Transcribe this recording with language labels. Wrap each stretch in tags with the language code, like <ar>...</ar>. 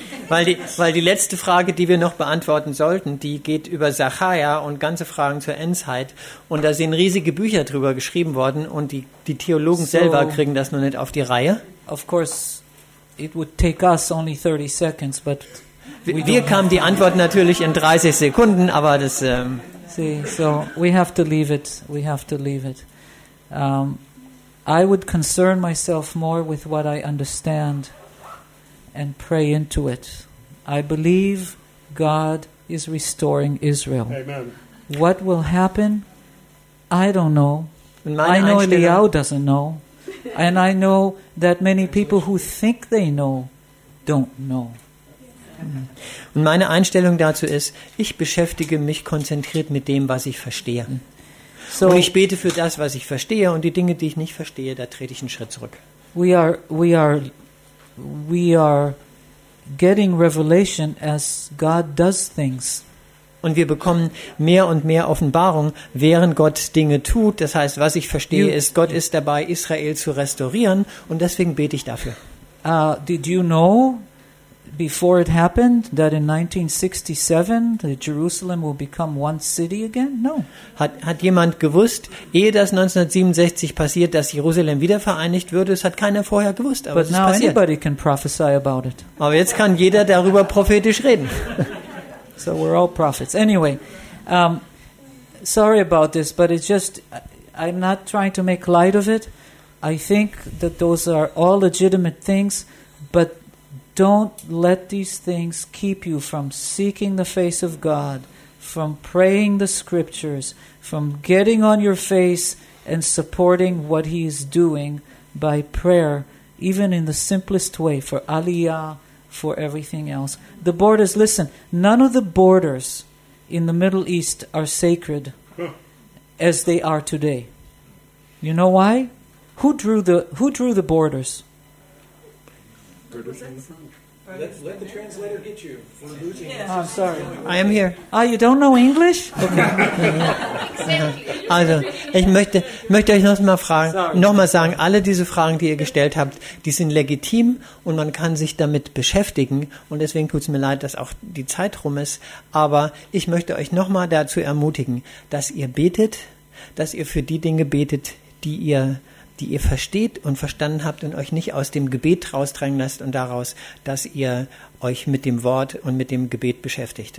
<de>Weil die letzte Frage, die wir noch beantworten sollten, die geht über Zechariah und ganze Fragen zur Endzeit, und da sind riesige Bücher drüber geschrieben worden, und die Theologen selber kriegen das noch nicht auf die Reihe.</de> <en>Of course, it would take us only 30 seconds, but</en> <de>wir kamen die Antwort natürlich in 30 Sekunden, aber das</de> <en>See, so we have to leave it. We have to leave it. I would concern myself more with what I understand and pray into it. I believe God is restoring Israel. Amen. What will happen? I don't know. I know Eliyahu doesn't know. And I know that many people who think they know don't know.</en> <de>Und meine Einstellung dazu ist, ich beschäftige mich konzentriert mit dem, was ich verstehe. So, und ich bete für das, was ich verstehe, und die Dinge, die ich nicht verstehe, da trete ich einen Schritt zurück.</de> <en>We are getting revelation as God does things.</en> <de>Und wir bekommen mehr und mehr Offenbarung, während Gott Dinge tut. Das heißt, was ich verstehe, ist, Gott ist dabei, Israel zu restaurieren, und deswegen bete ich dafür.</de> <en>Did you know before it happened that in 1967 the Jerusalem will become one city again? No.</en> <de>Hat jemand gewusst, ehe das 1967 passiert, dass Jerusalem wieder vereinigt würde? Es hat keiner vorher gewusst, aber</de> <en>but</en> <de>es</de> <en>now</en> <de>ist passiert.</de> <en>Anybody can prophesy about it.</en> <de>Aber jetzt kann jeder darüber prophetisch reden.</de> <en>So we're all prophets. Anyway, sorry about this, but it's just I'm not trying to make light of it. I think that those are all legitimate things, but don't let these things keep you from seeking the face of God, from praying the scriptures, from getting on your face and supporting what He is doing by prayer, even in the simplest way, for Aliyah, for everything else. The borders, listen, none of the borders in the Middle East are sacred as they are today. You know why? Who drew the borders? Let the translator get you. We're losing. Yeah. Oh, I'm sorry. I am here. Ah, you don't know English? Okay.</en> <de>Also, ich möchte euch noch mal sagen, alle diese Fragen, die ihr gestellt habt, die sind legitim und man kann sich damit beschäftigen. Und deswegen tut es mir leid, dass auch die Zeit rum ist. Aber ich möchte euch noch mal dazu ermutigen, dass ihr betet, dass ihr für die Dinge betet, die ihr versteht und verstanden habt und euch nicht aus dem Gebet rausdrängen lasst und daraus, dass ihr euch mit dem Wort und mit dem Gebet beschäftigt.</de>